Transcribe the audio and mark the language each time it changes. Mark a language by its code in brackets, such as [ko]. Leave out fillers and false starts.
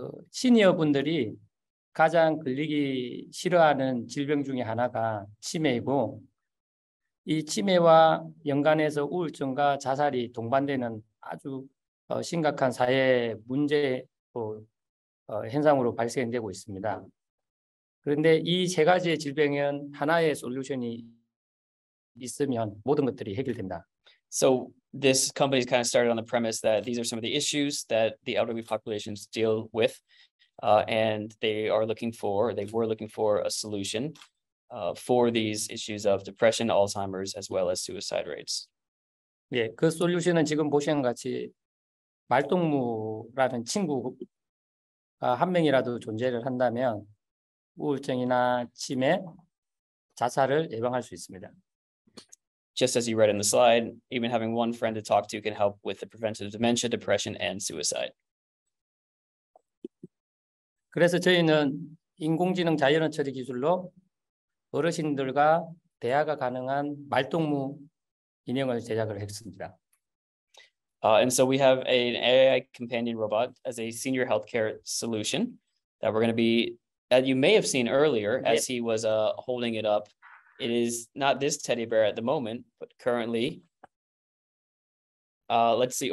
[ko] 시니어분들이 가장 걸리기 싫어하는 질병 중에 하나가 치매이고 이 치매와 연관해서 우울증과 자살이 동반되는 아주 심각한 사회 문제 현상으로 발생되고 있습니다. 그런데 이 세 가지의 질병은 하나의 솔루션이 있으면 모든 것들이 해결된다. [en] So this company is kind of started on the premise that these are some of the issues that the elderly populations deal with, and they are looking for, they were looking for a solution. For these issues of depression, Alzheimer's, as well as suicide rates. [ko] 예, 그 솔루션은 지금 보시는 같이 말동무라는 친구가 한 명이라도 존재를 한다면 우울증이나 치매, 자살을 예방할 수 있습니다. [en] Just as you read in the slide, even having one friend to talk to can help with the prevention of dementia, depression, and suicide. [ko] 그래서 저희는 인공지능 자연어처리 기술로 어르신들과 대화가 가능한 말동무 인형을 제작을 했습니다. [en] And so we have an AI companion robot as a senior healthcare solution that we're going to be, that you may have seen earlier as he was holding it up. It is not this teddy bear at the moment, but currently. Let's see.